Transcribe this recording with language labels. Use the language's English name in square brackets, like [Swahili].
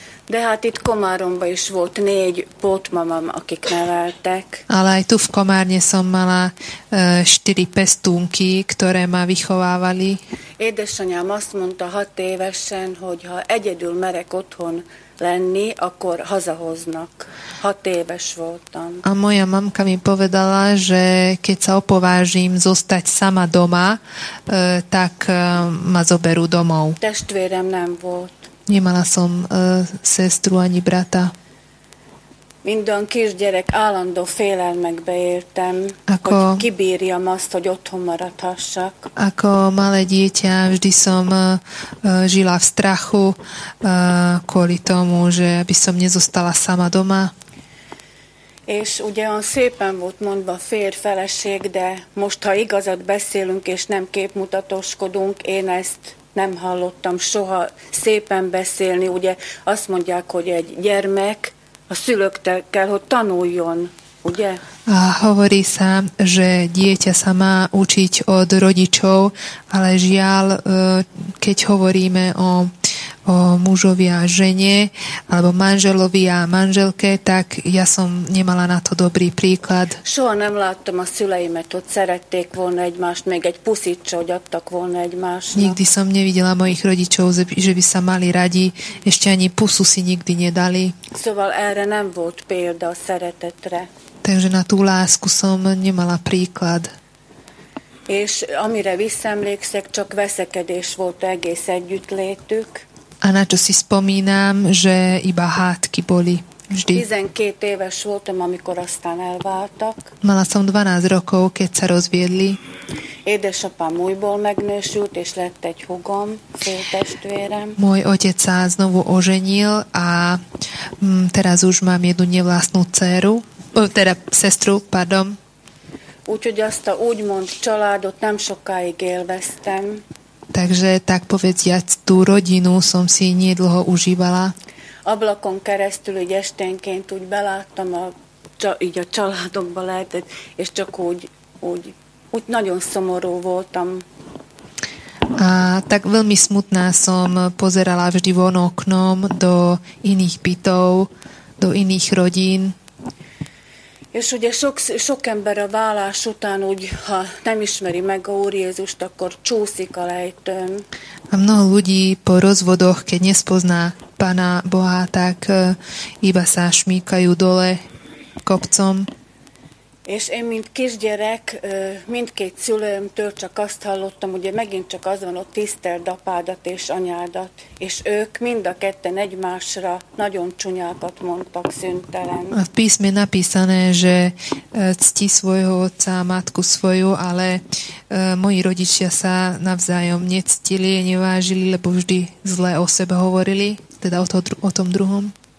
[Hungarian] De hát itt Komáromba is volt 4 pótmamám, akik neveltek. [Slovak] Ale aj tu v Komárne som mala 4 pestúnky, ktoré ma vychovávali. [Hungarian] Édesanyám azt mondta 6 évesen, hogy ha egyedül merek otthon lenni, akkor hazahoznak. 6 éves voltam. [Slovak] A moja mamka mi povedala, že keď sa opovážim zostať sama doma, tak ma zoberú domov. [Hungarian] Testvérem nem volt. [Slovak] Nemala som sestru ani brata. [Hungarian] Minden kisgyerek állandó félelmekbe éltem, ako, hogy kibírjam azt, hogy otthon maradhassak. [Slovak] Ako malé dieťa vždy som žila v strachu kvôli tomu, že by som nezostala sama doma. [Hungarian] És ugyan szépen volt mondva fér feleség, de most, ha igazat beszélünk és nem képmutatóskodunk, én ezt nem hallottam soha szépen beszélni, ugye azt mondják, hogy egy gyermek a szülőktől kell, hogy tanuljon. Ugye? [Slovak] A hovorí sa, že dieťa sa má učiť od rodičov, ale žiaľ, keď hovoríme o mužovi a žene, alebo manželovi a manželke, tak ja som nemala na to dobrý príklad. [Hungarian] Soha nem láttam a szüleimet, hogy szerették volna egymást, még egy puszit, hogy adtak volna egymásnak. [Slovak] Nikdy som nevidela mojich rodičov, že by sa mali radi, ešte ani pusu si nikdy nedali. [Hungarian] Szóval erre nem volt példa a szeretetre. [Slovak] Takže na tú lásku som nemala príklad. [Hungarian] És amire visszaemlékszek, csak veszekedés volt egész együttlétük. [Slovak] A na čo si spomínam, že iba hádky boli vždy. [Hungarian] 12 éves voltam, amikor aztán elváltak. [Slovak] Mala som 12 rokov, keď sa rozviedli. [Hungarian] Édesapám újból megnősült, és lett egy húgom, féltestvérem. [Slovak] Môj otec sa znovu oženil a teraz už mám jednu nevlastnú dceru, teda sestru, pardon. [Hungarian] Úgyhogy azt a úgymond családot nem sokáig élveztem. [Slovak] Takže tak povedziac tú rodinu som si nedlho užívala. [Hungarian] Ablakon keresztül így esténként úgy beláttam így a családokba lehetett, és csak úgy nagyon szomorú voltam. [Slovak] A tak veľmi smutná som pozerala vždy von oknom do iných bytov, do iných rodín. [Hungarian] És ugye sok ember a válás után úgy, ha nem ismeri meg a Úr Jézust, akkor csúszik a lejtőn. [Slovak] A mnoho ľudí po rozvodoch, keď nespozná Pána Boha, tak iba sa šmíkajú dole kopcom. [Hungarian] És én, mint kisgyerek, mindkét szülőmtől csak azt hallottam, ugye megint csak az van, hogy tiszteld apádat és anyádat. És ők mind a ketten egymásra nagyon csúnyákat mondtak szüntelen. [Slovak] A písme napísané, že cti svojho otca, matku svoju, ale moji rodičia sa navzájom nectili, nevážili, lebo vždy zle o sebe hovorili, teda o tom druhom.